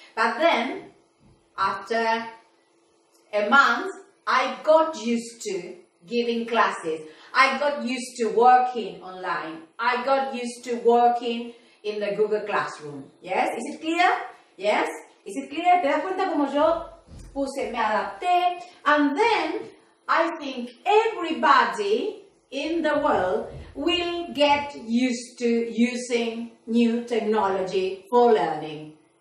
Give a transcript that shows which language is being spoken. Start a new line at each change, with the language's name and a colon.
English: But then, after a month, I got used to giving classes. I got used to working online. I got used to working in the Google Classroom. Yes? Is it clear? Yes? Is it clear?
Spanish: ¿Te das cuenta como yo puse, me adapté?
English: And then, I think everybody in the world will get used to using new technology for learning.